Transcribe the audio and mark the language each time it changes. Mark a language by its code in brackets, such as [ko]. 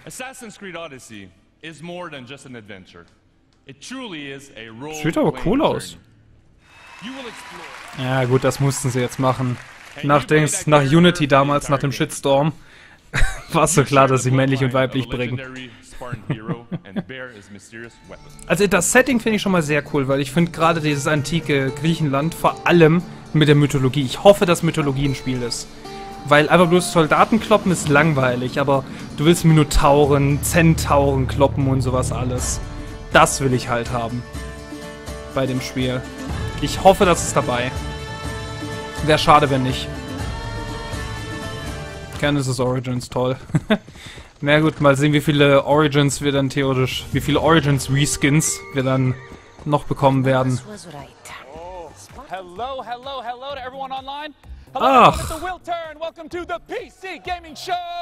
[en] Assassin's Creed Odyssey is more than just an adventure. It truly is a role. [de] Sieht aber cool aus. Ja gut, das mussten sie jetzt machen. Nach Unity damals, nach dem Shitstorm, war es so klar, dass sie männlich und weiblich bringen. Also das Setting finde ich schon mal sehr cool, weil ich finde gerade dieses antike Griechenland, vor allem mit der Mythologie. Ich hoffe, dass Mythologie ein Spiel ist. Weil einfach bloß Soldaten kloppen ist langweilig, aber du willst Minotauren, Zentauren kloppen und sowas alles. Das will ich halt haben. Bei dem Spiel. Ich hoffe, das ist dabei. Wäre schade, wenn nicht. Genesis Origins, toll. Na gut, mal sehen, wie viele Origins Reskins wir dann noch bekommen werden. [en] Hello, hello, hello to everyone online. [de] Ach. [en] Welcome to the PC Gaming Show.